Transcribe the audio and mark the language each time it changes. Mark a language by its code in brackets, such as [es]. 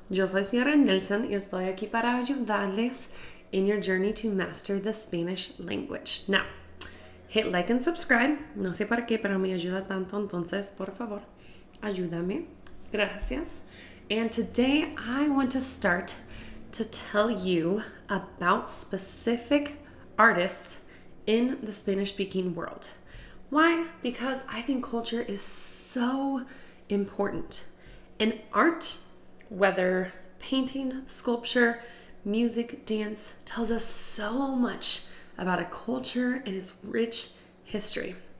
[es] Yo soy Sierra Nelson y estoy aquí para ayudarles en [en] your journey to master the Spanish language. Now, hit like and subscribe. [es] No sé para qué, pero me ayuda tanto. Entonces, por favor, ayúdame. Gracias. [en] And today I want to start to tell you about specific artists in the Spanish-speaking world. Why? Because I think culture is so important. And art, whether painting, sculpture, music, dance, tells us so much about a culture and its rich history.